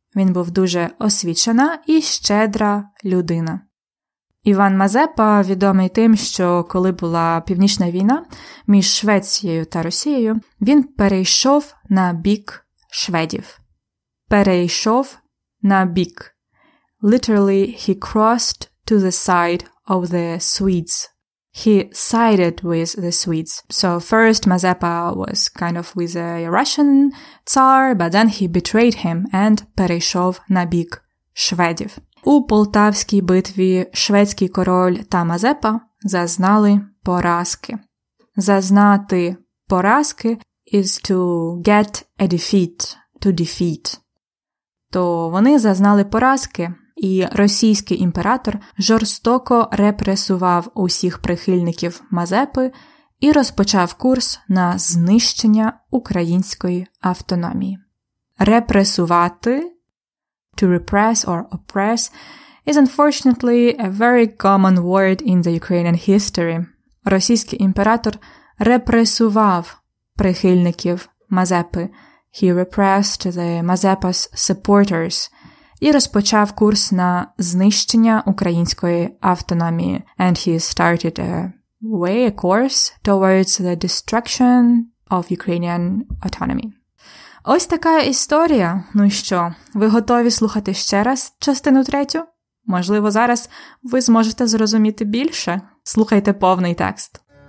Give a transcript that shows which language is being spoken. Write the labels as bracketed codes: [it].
[uk] Він був дуже освічена і щедра людина. Іван Мазепа відомий тим, що коли була Північна війна між Швецією та Росією, він перейшов на бік шведів. Перейшов на бік. [en] Literally, he crossed to the side of the Swedes. He sided with the Swedes. So first Mazepa was kind of with a Russian Tsar, but then he betrayed him and [uk] перейшов на бік шведів. У Полтавській битві шведський король та Мазепа зазнали поразки. Зазнати поразки [en] is to get a defeat, to defeat. [uk] То вони зазнали поразки, і російський імператор жорстоко репресував усіх прихильників Мазепи і розпочав курс на знищення української автономії. Репресувати [en] – to repress or oppress is unfortunately a very common word in the Ukrainian history. [uk] Російський імператор репресував прихильників Мазепи. [en] He repressed the Mazepa's supporters. [uk] і розпочав курс на знищення української автономії. [en] And he started a course towards the destruction of Ukrainian autonomy. [uk] Ось така історія. Ну що, ви готові слухати ще раз частину третю? Можливо, зараз ви зможете зрозуміти більше. Слухайте повний текст.